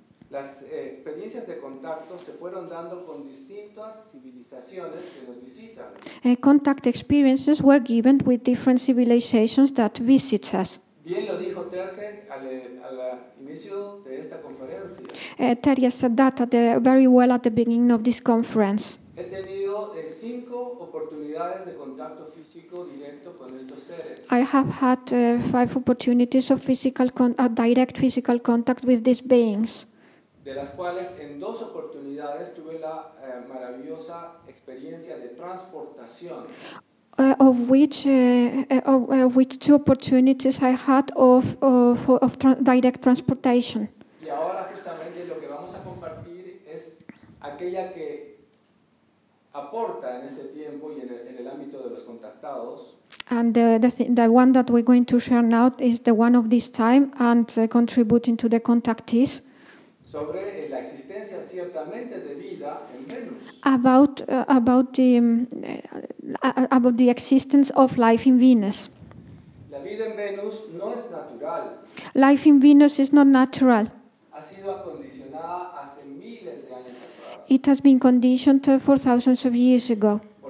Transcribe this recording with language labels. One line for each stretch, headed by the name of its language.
Spanish: las experiencias de contacto se fueron dando con distintas civilizaciones que nos visitan.
English: Contact experiences were given with different civilizations that visit us.
Spanish: Bien lo dijo Terje al inicio de esta conferencia.
English: Terje said that very well at the beginning of this conference.
Spanish: He tenido 5 oportunidades de contacto físico directo con estos seres.
English: I have had 5 opportunities of direct physical contact with these beings.
Spanish: De las cuales en 2 oportunidades tuve la maravillosa experiencia de transportación.
English: Of which 2 opportunities I had of direct transportation.
Spanish: Y ahora justamente lo que vamos a compartir aquella que aporta en este tiempo y en el ámbito de los contactados.
English: And the one that we're going to share now is the one of this time and contributing to the contactees.
Spanish: Sobre la existencia ciertamente de vida en Venus.
English: About the existence of life in Venus.
Spanish: La vida en Venus no es natural.
English: Life in Venus is not natural.
Spanish: Ha sido acondicionada hace miles de años atrás.
English: It has been conditioned for thousands of years ago.